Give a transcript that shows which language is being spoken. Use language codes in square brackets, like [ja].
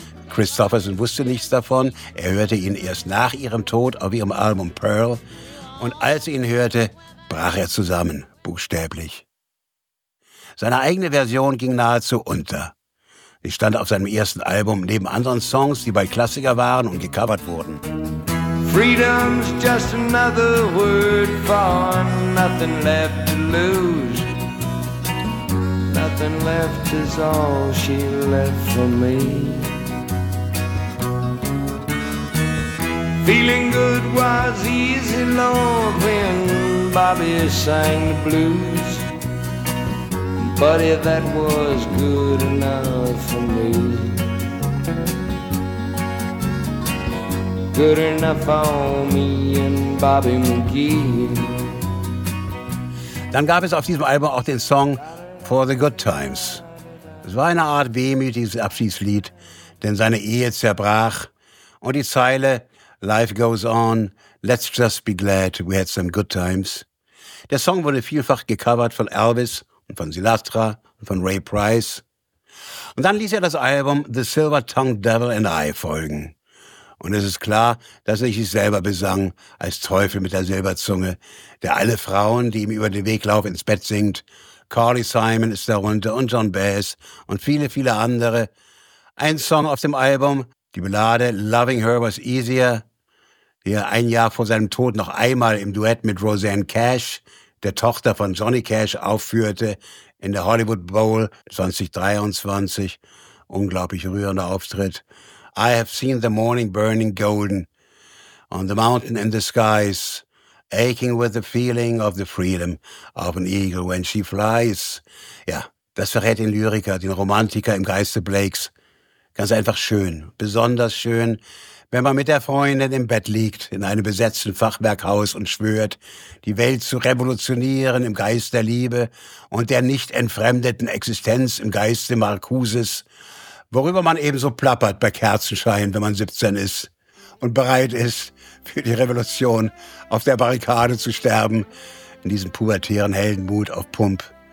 [de] Christofferson wusste nichts davon. Er hörte ihn erst nach ihrem Tod auf ihrem Album Pearl. Und als er ihn hörte, brach er zusammen, buchstäblich. Seine eigene Version ging nahezu unter. Sie stand auf seinem ersten Album neben anderen Songs, die bald Klassiker waren und gecovert wurden. [en] Freedom's just another word for nothing left to lose. Nothing left is all she left for me. Feeling good was easy, Lord, when Bobby sang the blues. Buddy, that was good enough for me. Good enough for me and Bobby McGee. [de] Dann gab es auf diesem Album auch den Song For the Good Times. Es war eine Art wehmütiges Abschiedslied, denn seine Ehe zerbrach. Und die Zeile [en] Life goes on, let's just be glad we had some good times. [de] Der Song wurde vielfach gecovert von Elvis und von Sinatra und von Ray Price. Und dann ließ er das Album The Silver-Tongued Devil and I folgen. Und es ist klar, dass er sich selber besang als Teufel mit der Silberzunge, der alle Frauen, die ihm über den Weg laufen, ins Bett singt. Carly Simon ist darunter und John Baez und viele, viele andere. Ein Song auf dem Album, die Ballade Loving Her Was Easier, die er ein Jahr vor seinem Tod noch einmal im Duett mit Roseanne Cash, der Tochter von Johnny Cash, aufführte in der Hollywood Bowl 2023. Unglaublich rührender Auftritt. [en] I have seen the morning burning golden on the mountain in the skies. Aching with the feeling of the freedom of an eagle when she flies. [de] Ja, das verrät den Lyriker, den Romantiker im Geiste Blakes. Ganz einfach schön, besonders schön, wenn man mit der Freundin im Bett liegt, in einem besetzten Fachwerkhaus und schwört, die Welt zu revolutionieren im Geist der Liebe und der nicht entfremdeten Existenz im Geiste Marcuses, worüber man eben so plappert bei Kerzenschein, wenn man 17 ist und bereit ist, für die Revolution auf der Barrikade zu sterben, in diesem pubertären Heldenmut auf Pump.